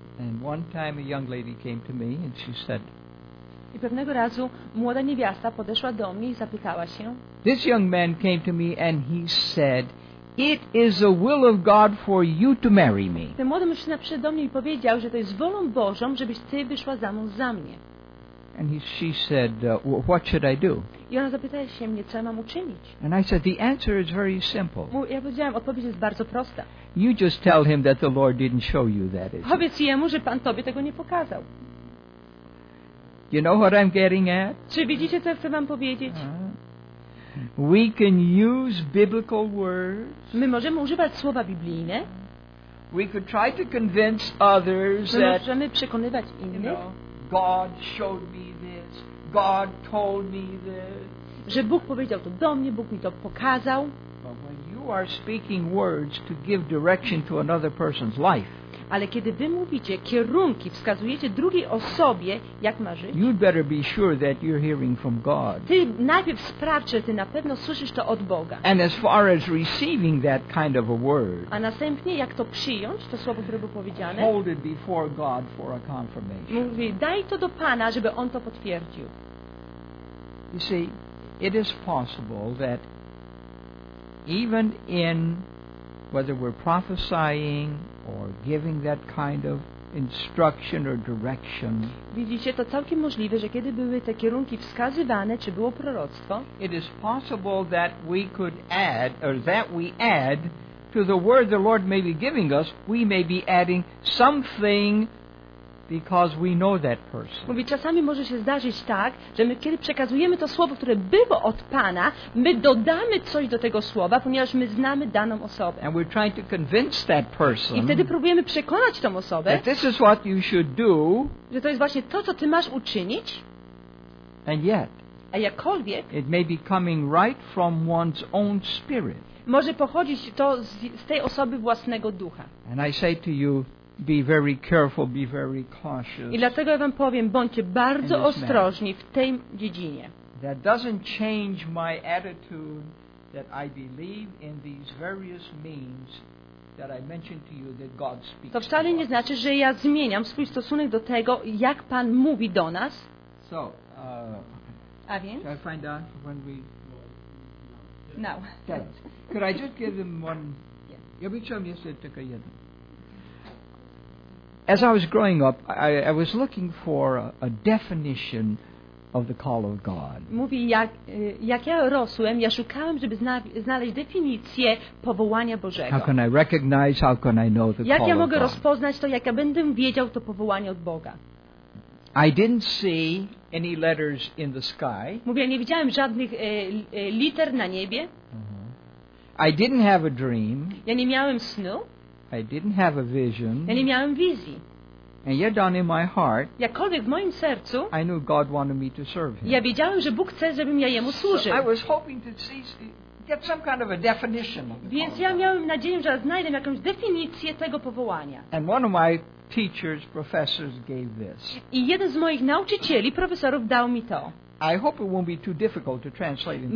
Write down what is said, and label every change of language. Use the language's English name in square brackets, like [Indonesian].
[English] And one time a young lady came to me and she said, [Polish] i pewnego razu młoda niewiasta podeszła do mnie i zapytała się. [English] This young man came to me and he said, it is the will of God for you to marry me. [Polish] Ten młody mężczyzna przyszedł do mnie i powiedział, że to jest wolą Bożą, żebyś ty wyszła za mąż za mnie. [English] And she said, what should I do? [Polish] I ona zapytała się mnie, co ja mam uczynić. [English] And I said, the answer is very simple. [Polish] Ja powiedziałem, odpowiedź jest bardzo prosta. [English] You just tell him that the Lord didn't show you that. [Polish] Powiedz jemu, że Pan tobie tego nie pokazał. [English] You know what I'm getting at? [Polish] Czy widzicie, co chcę wam powiedzieć? [English] We can use biblical words. [Polish] My możemy używać słowa biblijne. [English] We could try to convince others that. [Polish] My możemy przekonywać innych. [English] You know, God showed me this. God told me this. [Polish] Że Bóg powiedział to do mnie, Bóg mi to pokazał. [English] But when you are speaking words to give direction to another person's life. [Polish] Ale kiedy wy mówicie kierunki, wskazujecie drugiej osobie, jak ma żyć, [English] you'd better be sure that you're hearing from God. [Polish] Ty najpierw sprawdź, czy ty na pewno słyszysz to od Boga. [English] And as far as receiving that kind of a word, [Polish] a następnie jak to przyjąć, to słowo, które było powiedziane, [English] hold it before God for a confirmation. [Polish] Mówi, daj to do Pana, żeby On to potwierdził. [English] You see, it is possible that even in whether we're prophesying or giving that kind of instruction or direction. [Polish] Widzicie, to całkiem możliwe, że kiedy były te kierunki wskazywane, czy było proroctwo. [English] It is possible that we could add, or that we add, to the word the Lord may be giving us, we may be adding something because we know that person. [Polish] Mówi, czasami może się zdarzyć tak, że my kiedy przekazujemy to słowo, które było od Pana, my dodamy coś do tego słowa, ponieważ my znamy daną osobę. [English] And we're trying to convince that person. [Polish] I wtedy próbujemy przekonać tą osobę. [English] That this is what you should do. [Polish] Że to jest właśnie to, co ty masz uczynić. [English] And yet. [Polish] A jakkolwiek. [English] It may be coming right from one's own spirit. [Polish] Może pochodzić to z tej osoby własnego ducha. [English] And I say to you, be very careful, be very cautious. [Polish] I dlatego ja wam powiem, bądźcie bardzo ostrożni w tej dziedzinie. [English] That doesn't change my attitude that I believe in these various means that I mentioned to you that God speaks. [Polish] To wcale nie znaczy, że ja zmieniam swój stosunek do tego, jak Pan mówi do nas. [English] So, [Polish] a więc? [English] Shall I find out when we? No. Could I just give them one? [Polish] Ja bym chciał jeszcze tylko jeden. [English] As I was growing up, I was looking for a definition of the call of God. [Polish] Mówi, jak ja rosłem, ja szukałem, żeby znaleźć definicję powołania Bożego. [English] How can I recognize, how can I know the call of God? [Polish] Jak ja mogę rozpoznać to, jak ja będę wiedział to powołanie od Boga? [English] I didn't see any letters in the sky. [Polish] Mówi, ja nie widziałem żadnych liter na niebie. [English] I didn't have a dream. [Polish] Ja nie miałem snu. [English] I didn't have a vision. [Polish] Ja nie miałem wizji. [English] And yet down in my heart, [Polish] jakkolwiek w moim sercu, [English] I knew God wanted me to serve him. [Polish] Ja wiedziałem, że Bóg chce, żebym ja jemu służył. [English] So I was hoping to see, get some kind of a definition. [Polish] Więc ja miałem nadzieję, że znajdę jakąś definicję tego powołania. [English] And one of my teachers, professors gave this. [Polish] I jeden z moich nauczycieli, profesorów dał mi to. [English] I hope it won't be too difficult to translate into.